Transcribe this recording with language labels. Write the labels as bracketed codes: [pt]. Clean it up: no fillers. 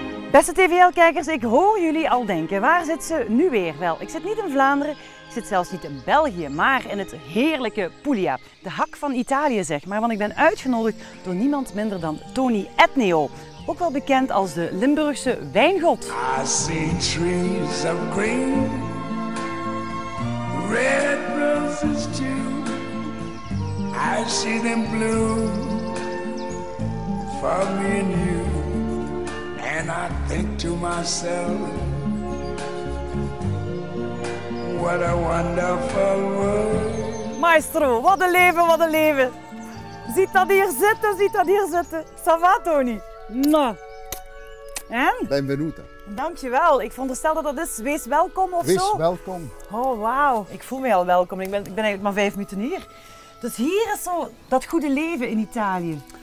[nl] Beste TVL-kijkers, ik hoor jullie al denken, waar zit ze nu weer? Wel, ik zit niet in Vlaanderen, ik zit zelfs niet in België, maar in het heerlijke Puglia. De hak van Italië, zeg maar, want ik ben uitgenodigd door niemand minder dan Tony Etneo. Ook wel bekend als de Limburgse wijngod. [en] I see trees of green, red roses too. I see them blue, for me and you. And I think to myself, what a wonderful world. [nl] Maestro, wat een leven, wat een leven. Ziet dat hier zitten, ziet dat hier zitten. [fr] Ça va, Tony? [nl] Nou. En? [it] Benvenuta. [nl] Dankjewel. Ik veronderstel dat dat is. Wees welkom of Wees zo. Wees welkom. Oh, wauw. Ik voel me al welkom. Ik ben eigenlijk maar 5 minuten hier. Dus hier is zo dat goede leven in Italië.